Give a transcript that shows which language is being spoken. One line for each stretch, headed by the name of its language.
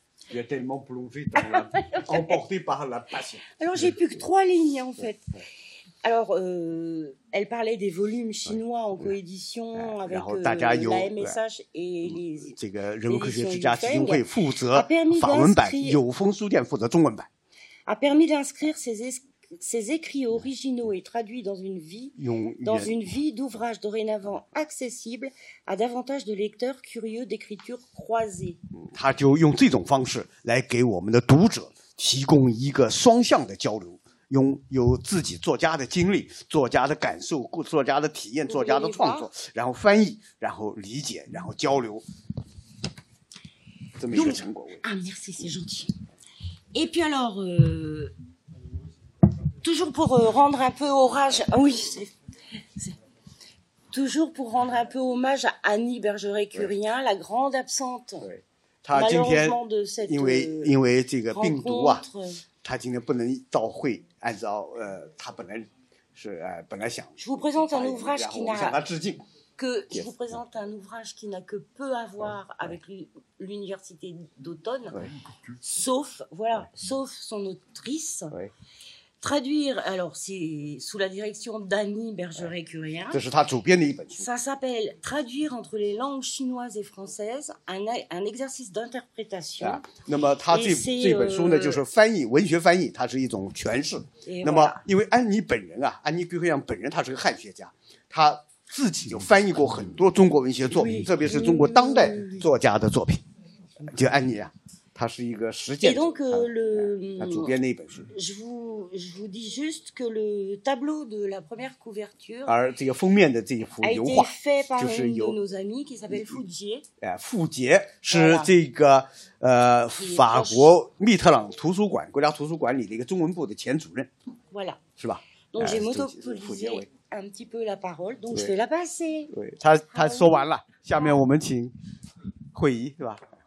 French: Il est tellement plongé dans la, emporté par la passion. Alors j'ai plus que trois lignes en fait. Alors, elle parlait des volumes chinois en coédition avec la MSH et les.
Chinese: 这个人文科学之家基金会负责法文版，有风书店负责中文版。
French: A permis d'inscrire ses écrits originaux et traduits dans une vie d'ouvrage dorénavant accessible à davantage de lecteurs curieux d'écriture croisée.
Chinese: 他就用这种方式来给我们的读者提供一个双向的交流。用有自己作家的经历作家的感受作家的体验作家的创作然后翻译然后理解然后交流这么一个成果。
French: 啊 merci, c'est gentil. Et puis alors, toujours pour rendre un peu hommage, oui, toujours pour rendre un peu hommage à Annie Bergeret-Curien, la grande absente.
Chinese: 她今天因为这个病毒啊她今天不能到会。按照他本来是本来想。
French: Je vous présente un ouvrage qui n'a pas de titre. Que je vous présente un ouvrage qui n'a que peu à voir avec l'université d'automne, sauf son autrice. Traduire alors c'est sous la direction d'Annie Bergeret-Curien.
Chinese: 这是他主编的一本书。
French: Ça s'appelle Traduire entre les langues chinoises et françaises, un exercice d'interprétation.
Chinese: 那么他这本书呢，就是翻译文学翻译，它是一种诠释。
French: Voilà.
Chinese: 那么，因为安妮本人啊，安妮·葛培扬本人，他是个汉学家，他自己就翻译过很多中国文学作品，特别是中国当代作家的作品。就安妮啊，他是一个实践者。
French: Et donc,
Chinese: 他主编那本书。
French: Je vous dis juste que le tableau de la première couverture.
Chinese: 而这个封面的这一幅油画，就是由
French: nos amis qui s'appelle Fouquier.
Chinese: Fouquier 是这个。法国密特朗图书馆国家图书馆里的一个中文部的前主任
French: voilà.
Chinese: 是吧
French: donc j'ai monopolisé un petit peu la parole donc je vais la passer
Chinese: 他说完了、下面我们请会议是吧